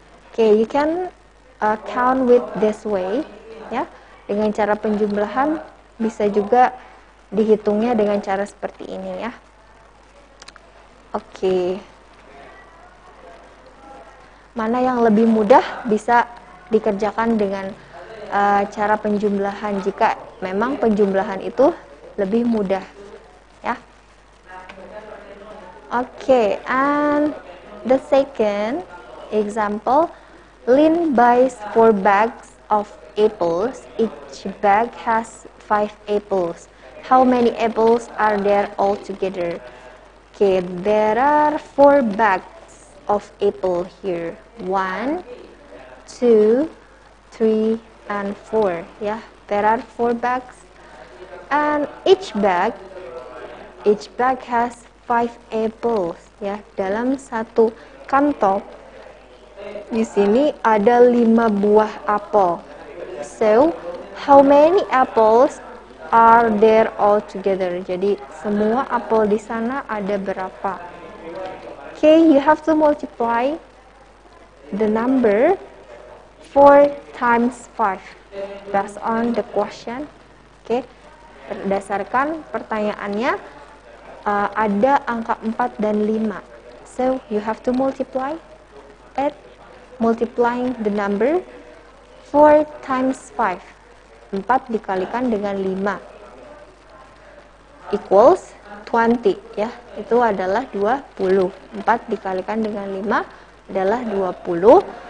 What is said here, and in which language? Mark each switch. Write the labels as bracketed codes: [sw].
[en] Okay, you can count with this way, ya. [id] Dengan cara penjumlahan bisa juga dihitungnya dengan cara seperti ini, ya. Oke. Mana yang lebih mudah bisa dikerjakan dengan cara penjumlahan jika memang penjumlahan itu lebih mudah, ya. [en] Oke, and the second example, Lin buys 4 bags of apples. Each bag has 5 apples. How many apples are there altogether? Okay, there are 4 bags of apple here. 1, 2, 3, and 4. Yeah, there are 4 bags. And each bag has 5 apples. [id] Yeah, dalam satu kantong di sini ada 5 buah apel. [en] So, how many apples are there all together? [id] Jadi, semua apel di sana ada berapa? [en] Okay, you have to multiply the number 4 times 5 based on the question. [id] Okay, berdasarkan pertanyaannya ada angka 4 dan 5. [en] So, you have to multiply it, multiplying the number 4 times 5. [id] 4 dikalikan dengan 5 equals 20, ya. Itu adalah 20. 4 dikalikan dengan 5 adalah 20.